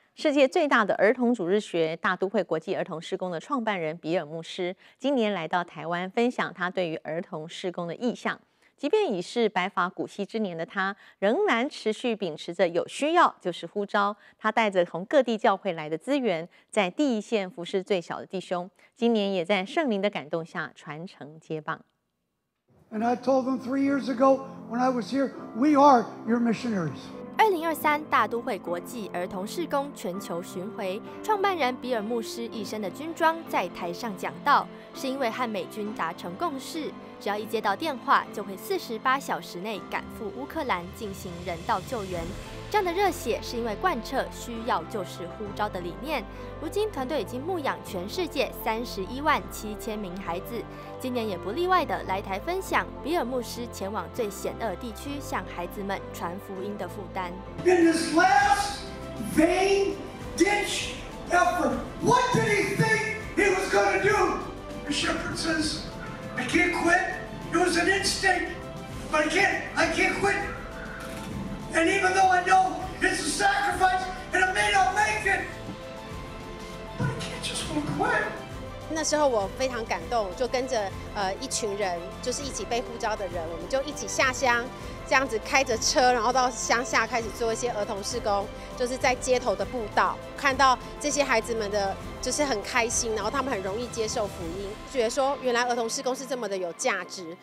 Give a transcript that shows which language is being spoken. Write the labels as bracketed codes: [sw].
[zh] 世界最大的儿童主日学大都会国际儿童事工的创办人比尔牧师，今年来到台湾分享他对于儿童事工的意向。即便已是白发古稀之年的他，仍然持续秉持着有需要就是呼召。他带着从各地教会来的资源，在第一线服侍最小的弟兄。今年也在圣灵的感动下传承接棒。 [en] And I told them 3 years ago when I was here, we are your missionaries. [zh] 2023大都会国际儿童事工全球巡回，创办人比尔牧师一身的军装在台上讲道，是因为和美军达成共识。只要一接到电话，就会48小时内赶赴乌克兰进行人道救援。这样的热血是因为贯彻需要就是呼召的理念。如今团队已经牧养全世界317000名孩子，今年也不例外的来台分享比尔牧师前往最险恶地区向孩子们传福音的负担。 [en] In his last vain ditch effort, what did he think he was going to do? The shepherd says. I can't quit. It was an instinct, but I can't quit. And even though I know it's a sacrifice and I may not make it, but I can't just want to quit. [zh] 那时候我非常感动，就跟着一群人，就是一起被呼召的人，我们就一起下乡，这样子开着车，然后到乡下开始做一些儿童事工，就是在街头的步道看到这些孩子们的就是很开心，然后他们很容易接受福音，觉得说原来儿童事工是这么的有价值。